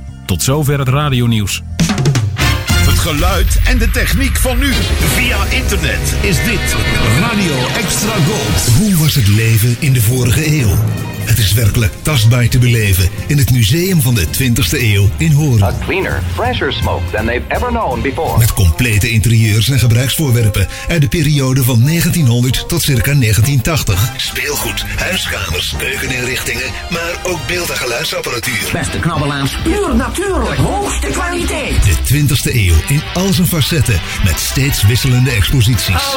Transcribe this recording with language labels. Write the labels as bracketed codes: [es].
[nl] Tot zover het radionieuws. Het geluid en de techniek van nu. Via internet is dit Radio Extra Gold. Hoe was het leven in de vorige eeuw? Het is werkelijk tastbaar te beleven in het museum van de 20e eeuw in Hoorn. [en] A cleaner, fresher smoke than they've ever known before. [nl] Met complete interieurs en gebruiksvoorwerpen uit de periode van 1900 tot circa 1980. Speelgoed, huiskamers, keukeninrichtingen, maar ook beeld- en geluidsapparatuur. Beste knabbelaars, puur natuurlijk, hoogste kwaliteit. De 20e eeuw in al zijn facetten met steeds wisselende exposities.